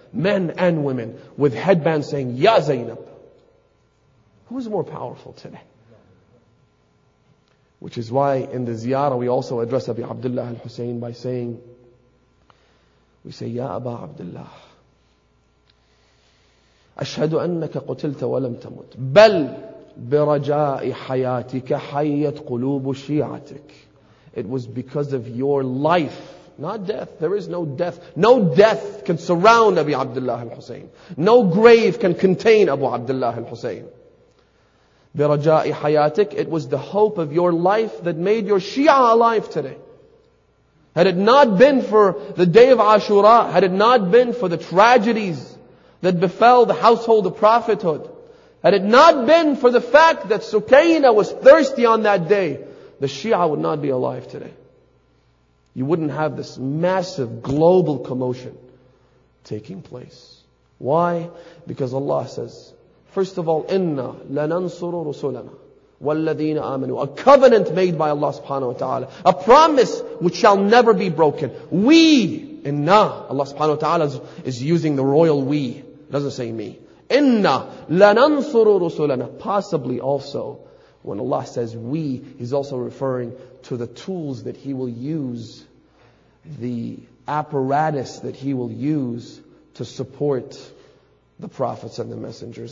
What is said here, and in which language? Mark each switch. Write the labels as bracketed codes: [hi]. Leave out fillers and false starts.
[en] Men and women with headbands saying, Ya Zainab. Who's more powerful today? Which is why in the ziyarah we also address Abi Abdullah al-Hussein by saying, we say, Ya Aba Abdullah, [ar] Ashhadu annaka qutilta wa lam tamut. Bal برجاء حياتك حيت قلوب شيعتك. [en] It was because of your life, not death. There is no death. No death can surround Abi Abdullah al-Hussein. No grave can contain Abu Abdullah al-Hussein. [ar] برجاء حياتك. [en] It was the hope of your life that made your Shia alive today. Had it not been for the day of Ashura, had it not been for the tragedies that befell the household of prophethood, had it not been for the fact that Sukaina was thirsty on that day, the Shia would not be alive today. You wouldn't have this massive global commotion taking place. Why? Because Allah says, First of all, [ar] إِنَّا لَنَنْصُرُ رُسُولَنَا وَالَّذِينَ آمَنُوا. [en] A covenant made by Allah subhanahu wa ta'ala. A promise which shall never be broken. We, إِنَّا. Allah subhanahu wa ta'ala is using the royal we. Doesn't say me. [ar] إِنَّا لَنَنْصُرُ رُسُولَنَا. [en] Possibly also, when Allah says we, He's also referring to the tools that He will use, the apparatus that He will use to support the prophets and the messengers.